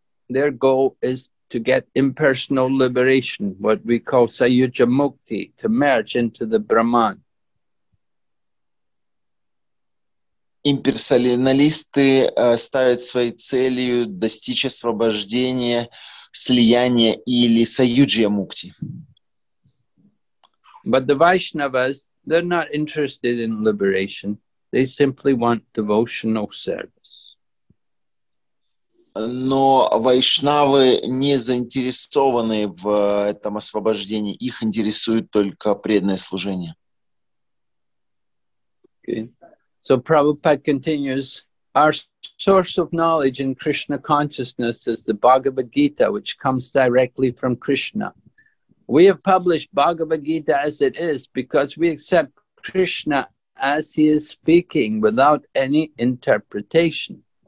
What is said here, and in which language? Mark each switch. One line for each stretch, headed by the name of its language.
English: Their goal is to get impersonal liberation, what we call Sayuja Mukti, to merge into the Brahman.
Russian: Имперсоналисты ставят своей целью достичь освобождения, слияния или Sayuja Mukti.
English: But the Vaishnavas, they're not interested in liberation. They simply want devotional service.
Russian: Но вайшнавы не заинтересованы в этом освобождении. Их интересует только преданное служение.
English: Okay. So Prabhupada continues, our source of knowledge in Krishna consciousness is the Bhagavad Gita, which comes directly from Krishna. We have published Bhagavad Gita as it is because we accept Krishna as he is speaking without any interpretation.